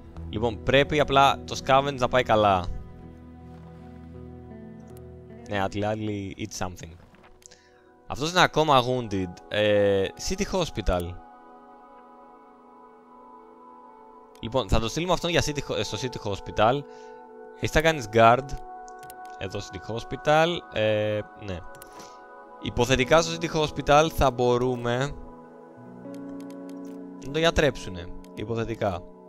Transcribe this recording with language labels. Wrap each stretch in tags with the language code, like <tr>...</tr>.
<el>Λοιπόν, πρέπει απλά το scavenge να πάει καλά.</el> <en>Ναι, at least eat something.</en> <el>Αυτός είναι ακόμα wounded. City Hospital. Λοιπόν, θα το στείλουμε αυτόν για city, στο City Hospital. Εσύ θα κάνεις guard. Εδώ στο City Hospital. Ναι. Υποθετικά στο City Hospital θα μπορούμε να το γιατρέψουνε. Υποθετικά.</el>